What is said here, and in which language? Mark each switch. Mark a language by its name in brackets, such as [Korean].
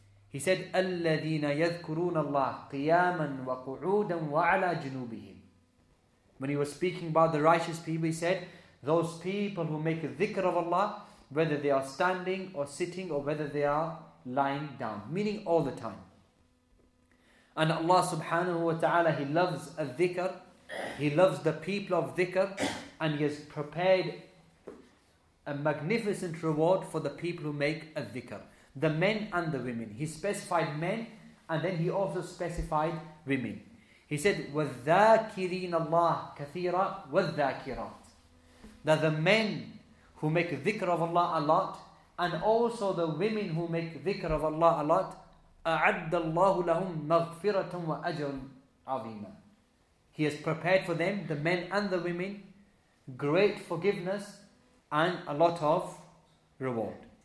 [English] He said, [Arabic] أَلَّذِينَ يَذْكُرُونَ اللَّهِ قِيَامًا وَقُعُودًا وَعَلَى جُنُوبِهِمْ. [English] When He was speaking about the righteous people, He said, those people who make a dhikr of Allah, whether they are standing or sitting or whether they are lying down, meaning all the time. And Allah subhanahu wa ta'ala, He loves a dhikr, He loves the people of dhikr, and He has prepared a magnificent reward for the people who make a dhikr. The men and the women. He specified men and then He also specified women. He said, [Arabic] وَالذَّاكِرِينَ اللَّهِ كَثِيرًا وَالذَّاكِرَاتِ. [English] That the men who make dhikr of Allah a lot and also the women who make dhikr of Allah a lot, [Arabic] أَعَدَّ اللَّهُ لَهُمْ مَغْفِرَةً وَأَجْرٌ عَظِيمًا. [English] He has prepared for them, the men and the women, great forgiveness and a lot of reward.